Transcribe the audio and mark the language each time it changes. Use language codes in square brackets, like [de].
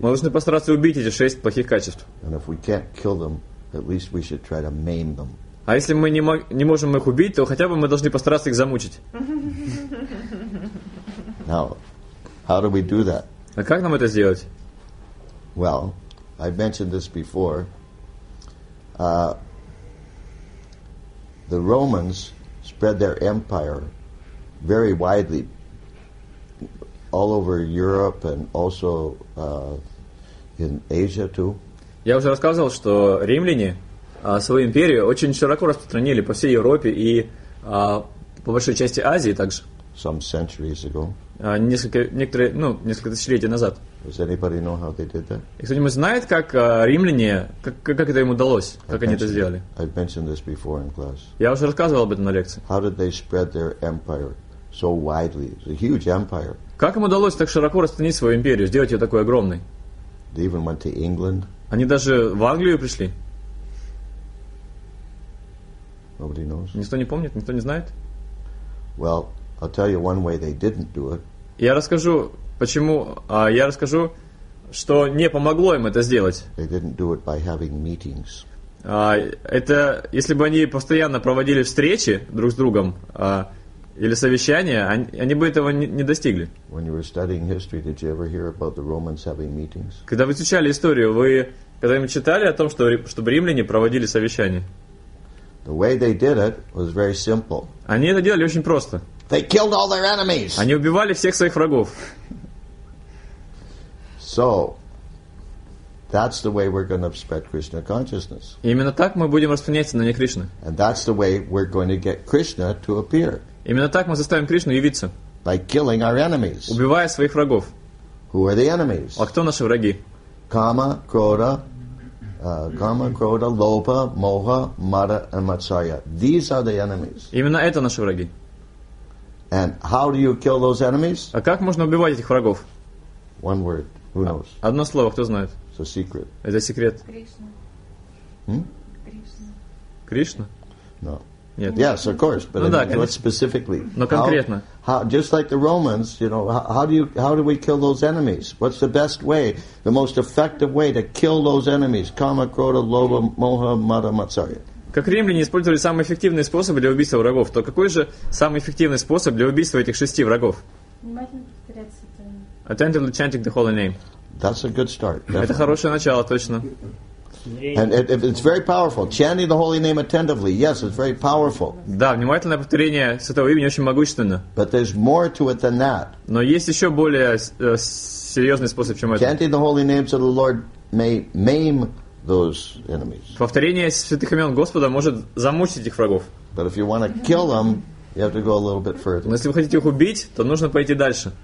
[ru] Мы должны постараться убить эти шесть плохих качеств. [en] And if we can't kill them, at least we should try to maim them. [ru] А если мы не можем их убить, то хотя бы мы должны постараться их замучить. [en] Now, how do we do that? [ru] А как нам это сделать? [en] Well, I've mentioned this before. The Romans spread their empire very widely all over Europe and also in Asia too. [ru] Я уже рассказывал, что римляне свою империю очень широко распространили по всей Европе и по большей части Азии также. [en] Some centuries ago. [ru] Несколько тысячелетий назад. [en] Does anybody know how they did that? [ru] И кто-нибудь знает, как римляне, как это им удалось, как они это сделали? [en] I've mentioned this before in class. [ru] Я уже рассказывал об этом на лекции. [en] How did they spread their empire so widely? It's a huge empire. [ru] Как им удалось так широко распространить свою империю, сделать ее такой огромной? [en] They even went to England. [ru] Они даже в Англию пришли. [en] Nobody knows. [ru] Никто не помнит, никто не знает. [en] Well, I'll tell you one way they didn't do it. [ru] Я расскажу, что не помогло им это сделать. [en] They didn't do it by having meetings. [ru] Это если бы они постоянно проводили встречи друг с другом или совещания, они бы этого не достигли. [en] When you were studying history, did you ever hear about the Romans having meetings? [ru] Когда вы изучали историю, вы когда-нибудь читали о том, чтобы римляне проводили совещания? [en] The way they did it was very simple. [ru] Они это делали очень просто. [en] They killed all their enemies. [ru] Они убивали всех своих врагов. [en] So, that's the way we're going to spread Krishna consciousness. [ru] Именно так мы будем распространять сознание Кришны. [en] And that's the way we're going to get Krishna to appear. [ru] Именно так мы заставим Кришну явиться. [en] By killing our enemies. [ru] Убивая своих врагов. [en] Who are the enemies? [ru] А кто наши враги? [sa] Кама, крода, лопа, моха, мада и мацая. [en] These are the enemies. [ru] Именно это наши враги. [en] And how do you kill those enemies? [ru] А как можно убивать этих врагов? [en] One word. Who knows? [ru] Одно слово. Кто знает? [en] It's a secret. [ru] Это секрет. Кришна. [en] No. [ru] Нет. [en] Yes, of course. But what specifically? [ru] Но конкретно. [en] How, just like the Romans, you know, how do we kill those enemies? What's the best way, the most effective way to kill those enemies? [sa] Kama, Krodha, Lobha, Moha, Mada, Matsarya. [ru] Как римляне использовали самый эффективный способ для убийства врагов, то какой же самый эффективный способ для убийства этих шести врагов? [en] Attentively chanting the holy name. That's a good start. [ru] Это хорошее начало, точно. [en] And it's very powerful. Chanting the holy name attentively. Yes, it's very powerful. [ru] Да, внимательное повторение святого имени очень могущественно. [en] But there's more to it than that. [ru] Но есть еще более серьезный способ, чем это. [en] Chanting the holy name so the Lord may maim those enemies. [ru] Повторение святых имен Господа может замучить их врагов. [en] But if you want to kill them, you have to go a little bit further. [ru] Но если вы хотите их убить, то нужно пойти дальше.